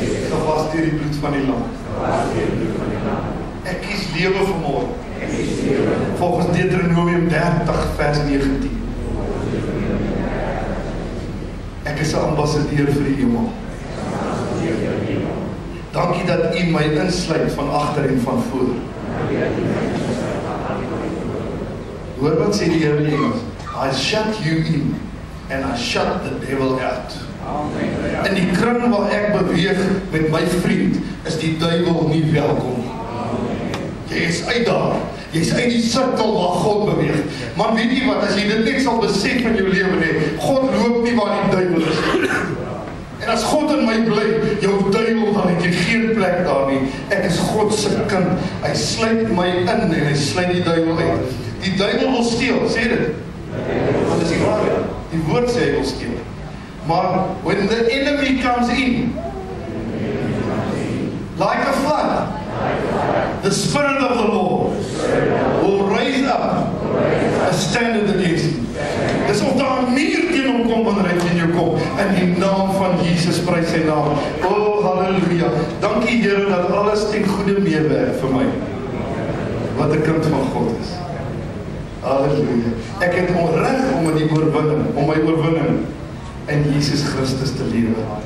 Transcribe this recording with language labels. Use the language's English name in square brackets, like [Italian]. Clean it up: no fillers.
[Afrikaans] Gewas deur die bloed van die Lam. Ek kies lewe vir môre. Ek kies lewe. Volgens Deuteronomium 30 vers 19. Ek is 'n ambassadeur vir die hemel. Dankie dat U my insluit van agter en van voor. Hoor wat sê die Here in Engels? [English] I shut you in and I shut the devil out. [Afrikaans] In die kring waar ek beweeg met my vriend is die duivel nie welkom. Jy is uit daar. Jy is uit die sirkel waar God beweeg. Maar weet jy wat, as jy dit net sal besef in jou lewe nê, God loop nie waar die duivel is. En as God in my bly, jou duivel gaan net geen plek daar nie. Ek is God se kind. Hy sluit my in en hy sluit die duivel uit. Die duivel wil steel, sê dit. Want dit is waar. Die woord sê hy wil steel. Maar [English] when the enemy comes in, like a flood, the spirit of the Lord will raise up a standard against him. [Afrikaans] Dis of daar 'n muur teen hom kom wanneer hy in jou kom. In die naam van Jesus, prys sy naam. O, halleluja. Dankie Here dat alles ten goede meewerk vir my. Wat 'n kind van God is. Halleluja. Ek het onreg om in die oorwinning, om my oorwinning in Jesus Christus te lewe.